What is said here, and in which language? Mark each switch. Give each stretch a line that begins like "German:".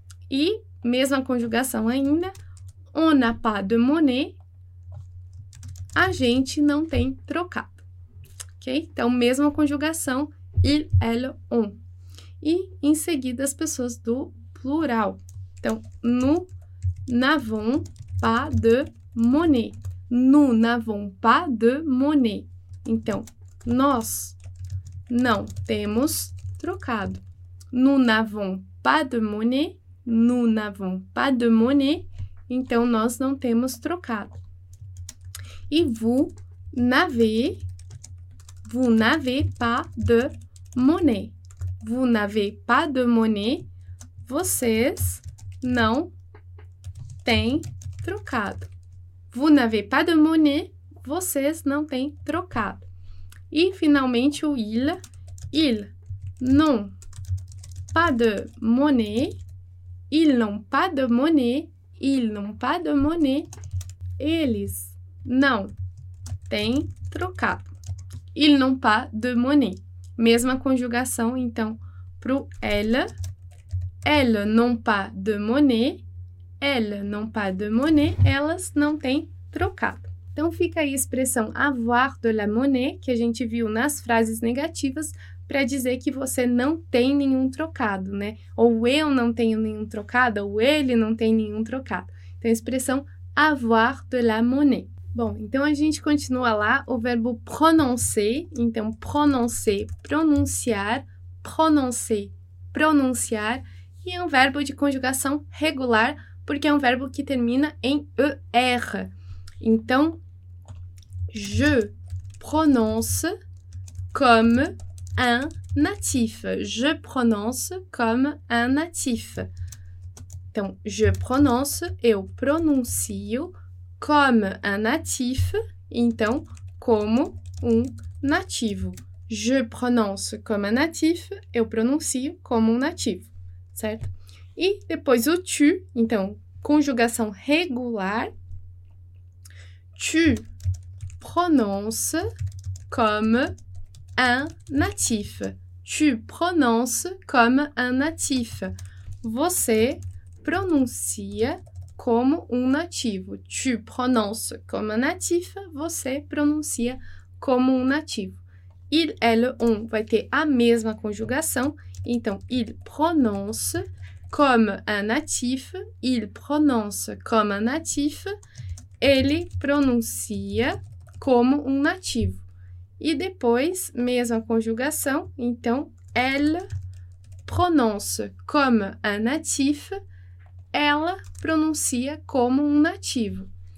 Portuguese: E, mesma conjugação ainda,
French: on n'a pas de monnaie.
Portuguese: A gente não tem trocado. Ok? Então, mesma conjugação,
French: il, elle, on.
Portuguese: E, em seguida, as pessoas do plural.
French: Então, nous n'avons pas de monnaie. Nous n'avons pas de monnaie.
Portuguese: Então, nós não temos trocado.
French: Nous n'avons pas de monnaie. Nous n'avons pas de monnaie.
Portuguese: Então, nós não temos trocado.
French: E vous n'avez pas de monnaie. Vous n'avez pas de monnaie.
Portuguese: Vocês não têm trocado.
French: Vous n'avez pas de monnaie.
Portuguese: Vocês não têm trocado. E finalmente o
French: ils n'ont pas de monnaie. Ils n'ont pas de monnaie. Ils n'ont pas de monnaie.
Portuguese: Eles não têm trocado.
French: Ils n'ont pas de monnaie.
Portuguese: Mesma conjugação, então, pro elle.
French: Elles n'ont pas de monnaie. Elles n'ont pas de monnaie.
Portuguese: Elas não têm trocado. Então, fica aí a expressão
French: avoir de la monnaie,
Portuguese: que a gente viu nas frases negativas, para dizer que você não tem nenhum trocado, né? Ou eu não tenho nenhum trocado, ou ele não tem nenhum trocado. Então, a expressão
French: avoir de la monnaie.
Portuguese: Bom, então a gente continua lá o verbo prononcer. Então, prononcer, pronunciar. Prononcer, pronunciar. E é um verbo de conjugação regular, porque é um verbo que termina em er.
French: Então, je prononce comme un natif. Je prononce comme un natif.
Portuguese: Então,
French: je prononce,
Portuguese: eu pronuncio.
French: Comme un natif,
Portuguese: então, como um nativo.
French: Je prononce comme un natif,
Portuguese: eu pronuncio como um nativo, certo? E depois o tu, então, conjugação regular.
French: Tu prononces comme un natif. Tu prononces comme un natif.
Portuguese: Você pronuncia como um nativo.
French: Tu prononces comme un natif.
Portuguese: Você pronuncia como um nativo.
French: Il, elle, on
Portuguese: vai ter a mesma conjugação.
French: Então, il prononce comme un natif. Il prononce comme un natif.
Portuguese: Ele pronuncia como um nativo. E depois, mesma conjugação.
French: Então, elle prononce comme un natif.
Portuguese: Ela pronuncia como um nativo.